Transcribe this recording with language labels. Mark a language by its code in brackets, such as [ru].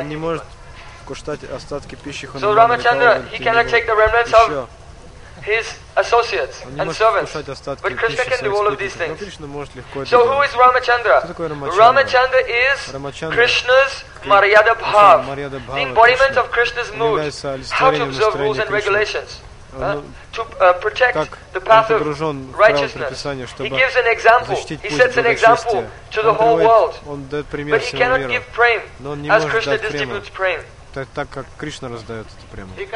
[en] anyone. [ru] Он не может кушать остатки пищи [en] Хануман. So Ramachandra, he cannot take the remnants of his associates and servants. But Krishna can do all of these things. So who is Ramachandra? Ramachandra is Krishna's Maryada Bhav, the embodiment of Krishna's mood, how to observe rules and regulations, to protect the path of righteousness. He gives an example. He sets an example to the whole world. But he cannot give prem as Krishna distributes prem. [ru] Так как Кришна раздает это према.